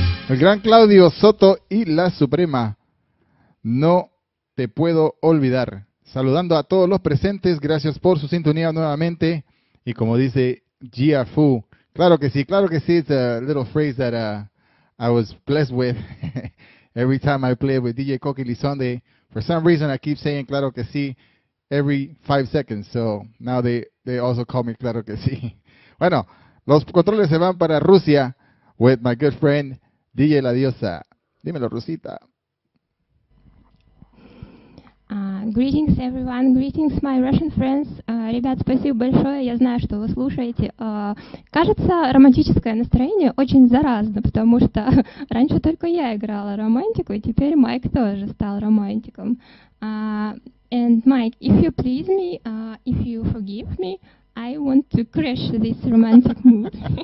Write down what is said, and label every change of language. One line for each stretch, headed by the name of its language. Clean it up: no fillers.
Spanish: gran Claudio Soto y la Suprema, No Te Puedo Olvidar. Saludando a todos los presentes, gracias por su sintonía nuevamente. Y como dice Gia Fu, claro que sí,
English: it's a little phrase that I was blessed with every time I play with DJ Coqui Lizonde. For some reason, I keep saying claro que sí every 5 seconds. So now they also call me
Spanish: claro que sí. Bueno, los controles se van para Rusia
English: with my good friend
Spanish: DJ La Diosa. Dímelo, Rusita.
English: Greetings, everyone. Greetings, my Russian friends.
Russian: Ребят, спасибо большое. Я знаю, что вы слушаете. Кажется, романтическое настроение очень заразно, потому что раньше только я играла романтику, и теперь Майк тоже стал романтиком.
English: And Mike, if you please me, if you forgive me, I want to crash this romantic mood.